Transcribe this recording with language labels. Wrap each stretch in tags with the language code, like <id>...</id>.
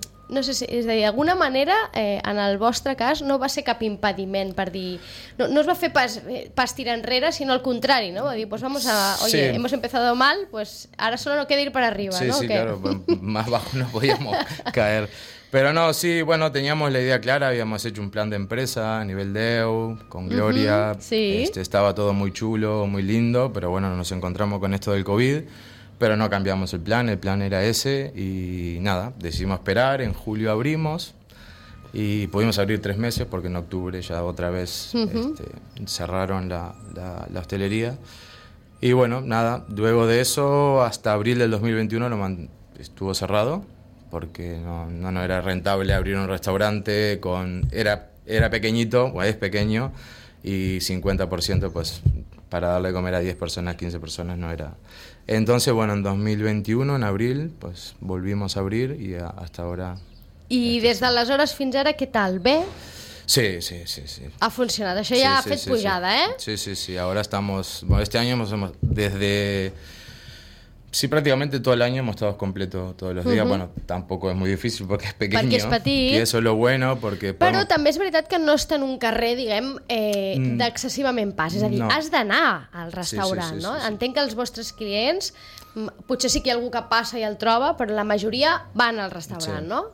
<ca>No sé si, és a dir, d'alguna manera, en el vostre cas, no va ser cap impediment per dir... No es va fer pas tirar enrere, sinó al contrari, no? Va dir,</ca> <es>pues vamos a... Oye,</es> <ca>sí.</ca> <es>hemos empezado mal, pues ahora solo no queda ir para arriba, sí, ¿no? Sí, sí, claro, más bajo no podíamos caer. Pero no, sí, bueno, teníamos la idea clara, habíamos hecho un plan de empresa a nivel de EU, con Gloria. Sí. Estaba todo muy chulo, muy lindo, pero bueno, nos encontramos con esto del COVID, pero no cambiamos el plan era ese, y nada, decidimos esperar, en julio abrimos, y pudimos abrir 3 meses, porque en octubre ya otra vez cerraron la hostelería. Y bueno, nada, luego de eso, hasta abril del 2021 estuvo cerrado, porque no era rentable abrir un restaurante era pequeñito, o es pequeño, y 50% pues para darle de comer a 10 personas, 15 personas no era. Entonces, bueno, en 2021, en abril, pues volvimos a abrir y hasta ahora.</es> <ca>I des d'aleshores fins ara, què tal? Bé? Sí. Ha funcionat, això ja ha fet pujada, eh?</ca> <es>Sí, ahora estamos, bueno, este año hemos desde... Sí, prácticamente todo el año hemos estado completo todos los días. Bueno, tampoco es muy difícil porque es pequeño. Porque es petit. Y eso es lo bueno porque... Podemos...</es> <ca>Però també és veritat que no està en un carrer, diguem, d'excessivament pas. És a dir, no. Has d'anar al restaurant, no? Sí. Entenc que els vostres clients, potser sí que hi ha algú que passa i el troba, però la majoria van al restaurant, no?</ca>